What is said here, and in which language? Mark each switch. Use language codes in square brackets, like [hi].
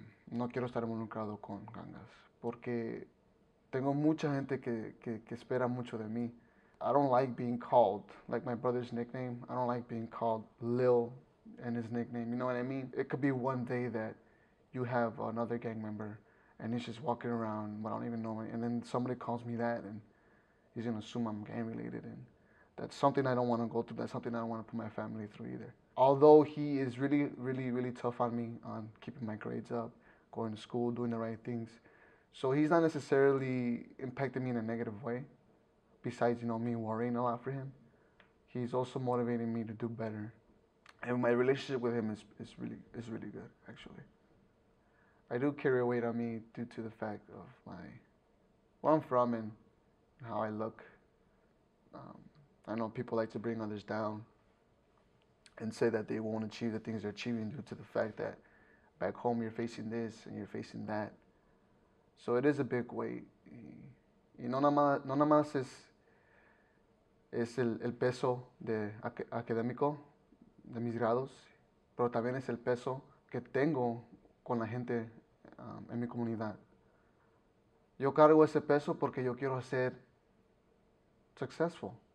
[es] No quiero estar involucrado con gangas porque tengo mucha gente que espera mucho de mí. [en] I don't like being called, like my brother's nickname. I don't like being called Lil and his nickname. You know what I mean? It could be one day that you have another gang member and he's just walking around, but I don't even know. And then somebody calls me that and he's gonna assume I'm gang related. And that's something I don't wanna go through. That's something I don't wanna put my family through either. Although he is really, really, really tough on me on keeping my grades up, going to school, doing the right things. So he's not necessarily impacting me in a negative way. Besides, me worrying a lot for him, he's also motivating me to do better. And my relationship with him is really good, actually. I do carry a weight on me due to the fact of where I'm from and how I look. I know people like to bring others down and say that they won't achieve the things they're achieving due to the fact that back home you're facing this and you're facing that. So it is a big weight. [es] Y no nada más es el peso de académico de mis grados, pero también es el peso que tengo con la gente en mi comunidad. Yo cargo ese peso porque yo quiero ser successful.